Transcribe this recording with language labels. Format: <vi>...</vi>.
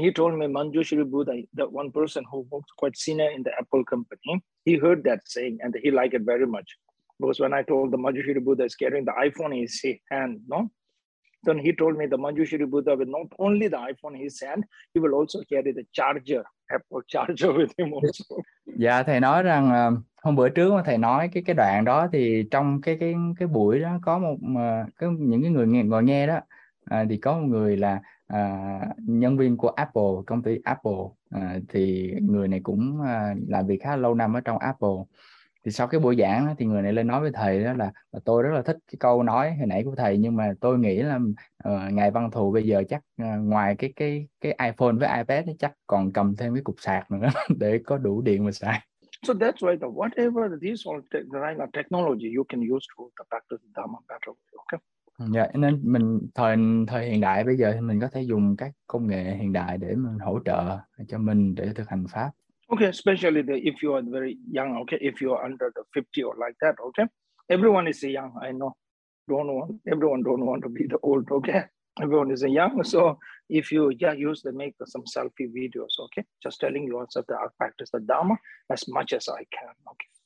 <en>He told me Manjushri Buddha, the one person who works quite senior in the Apple company, he heard that saying and he liked it very much. Because when I told the Manjushri Buddha is carrying the iPhone in his hand, no? Then he told me the Manjushri Buddha with not only the iPhone in his hand, he will also carry the charger, Apple charger with him also.</en> <vi>Dạ thầy nói rằng hôm bữa trước mà thầy nói cái đoạn đó thì trong cái buổi đó có một cái những cái người nghe, ngồi nghe đó thì có một người là nhân viên của Apple, công ty Apple, thì người này cũng làm việc khá lâu năm ở trong Apple. Thì sau cái buổi giảng đó, thì người này lên nói với thầy đó là tôi rất là thích cái câu nói hồi nãy của thầy, nhưng mà tôi nghĩ là Ngài Văn Thù bây giờ chắc ngoài cái iPhone với iPad ấy, chắc còn cầm thêm cái cục sạc nữa để có đủ điện mà sạc.</vi> <en>So that's why the whatever these all kind of technology you can use to the practice Dharma better, okay?</en> <vi>Dạ, nên mình thời thời hiện đại bây giờ thì mình có thể dùng các công nghệ hiện đại để mình hỗ trợ cho mình để thực hành pháp.</vi> <en>Okay, especially the, if you are very young, okay, if you are under the 50 or like that, okay? Everyone is young, I know. Don't want, everyone don't want to be the old, okay? Everyone is young, so if you use the make some selfie videos, okay? Just telling yourself that I practice the Dharma as much as I can, okay?</en>